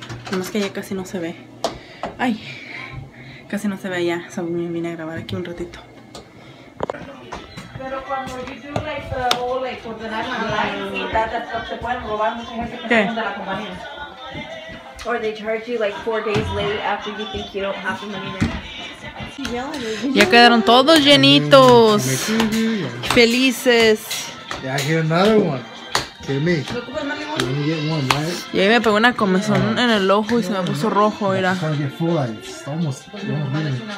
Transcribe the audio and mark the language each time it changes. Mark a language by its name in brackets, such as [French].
[Spanish] Nomás que ya casi no se ve. Ay, casi no se ve ya. So, me vine a grabar aquí un ratito. Pero cuando [English] you do like the whole like [Spanish] ordenar online, y [English] that stuff, [Spanish] se pueden robar mucho gente de la compañía. [English] Or they charge you like 4 days late after you think you don't have the money there. [Spanish] Ya quedaron todos llenitos. Felices. [English] Yeah, I hear another one. Tell me. You only get one, right? [Spanish] Y ahí me pegó una comezón en el ojo y se me puso rojo, mira. [English] Can't get full, like, it's almost, almost